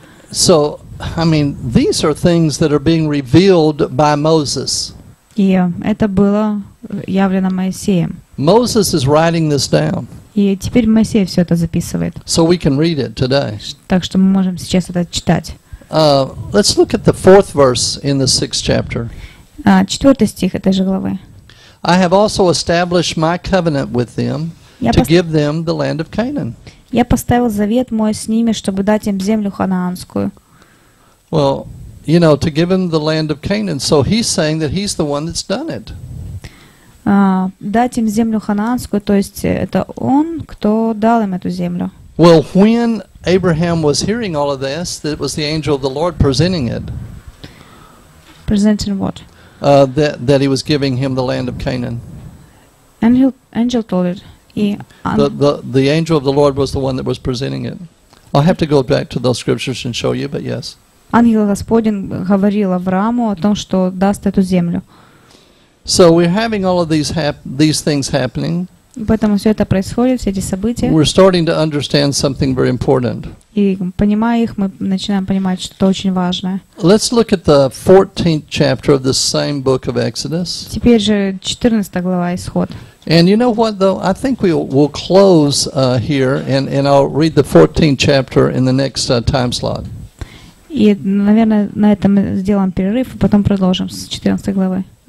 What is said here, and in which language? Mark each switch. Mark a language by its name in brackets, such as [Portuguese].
[English] So, I mean, these are things that are being revealed by Moses. [Russian] И это было явлено Моисеем. [English] Moses is writing this down. [Russian] И теперь Моисей все это записывает. [English] So we can read it today. [Russian] Так что мы можем сейчас это читать. [English] Let's look at the fourth verse in the sixth chapter. [Russian] Четвертый стих этой же главы. [English] I have also established my covenant with them to give them the land of Canaan. [Russian] Я поставил завет мой с ними, чтобы дать им землю ханаанскую. [English] Well, you know, to give them the land of Canaan. So he's saying that he's the one that's done it. [Russian] Дать им землю ханаанскую, то есть это он, кто дал им эту землю. [English] Well, when Abraham was hearing all of this, it was the angel of the Lord presenting it. Presenting what? That he was giving him the land of Canaan. Angel told it. The angel of the Lord was the one that was presenting it. I'll have to go back to those scriptures and show you, but yes. [Russian] Ангел Господень говорил Аврааму о том, что даст эту землю. [English] So we're having all of these things happening. [Russian] Поэтому все это происходит, все эти события. [English] We're starting to understand something very important. [Russian] И понимая их, мы начинаем понимать что-то очень важное. [English] Let's look at the 14th chapter of the same book of Exodus. [Russian] Теперь же 14 глава Исход. [English] And you know what though? I think we'll close here and I'll read the 14th chapter in the next time slot. [Russian] И, наверное, на этом мы сделаем перерыв, и потом продолжим с 14 главы.